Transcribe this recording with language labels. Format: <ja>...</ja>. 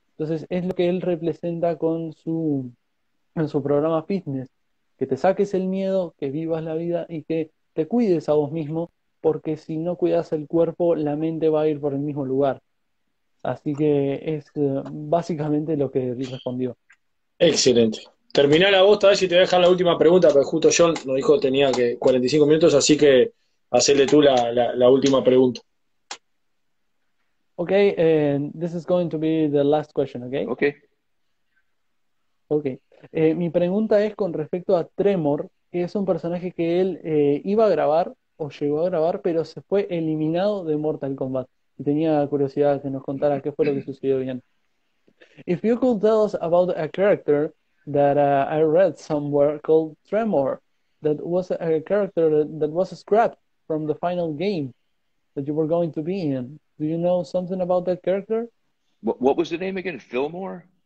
<es>Entonces, es lo que él representa con su programa fitness, que te saques el miedo, que vivas la vida y que te cuides a vos mismo, porque si no cuidas el cuerpo, la mente va a ir por el mismo lugar. Así que es básicamente lo que respondió. Excelente. Terminá la voz, tal vez si te voy a dejar la última pregunta, pero justo John nos dijo que tenía que 45 minutos, así que hacele tú la última pregunta.</es> <en>Okay, this is going to be the last question, okay? Okay. Okay.</en> <es>Mi pregunta es con respecto a Tremor, que es un personaje que él iba a grabar o llegó a grabar, pero se fue eliminado de Mortal Kombat. Y tenía curiosidad que nos contara qué fue lo que sucedió bien.</es> <en>If you could tell us about a character that I read somewhere called Tremor, that was a character that was scrapped from the final game that you were going to be in. Do you know something about that character? What was the name again? Fillmore?</en>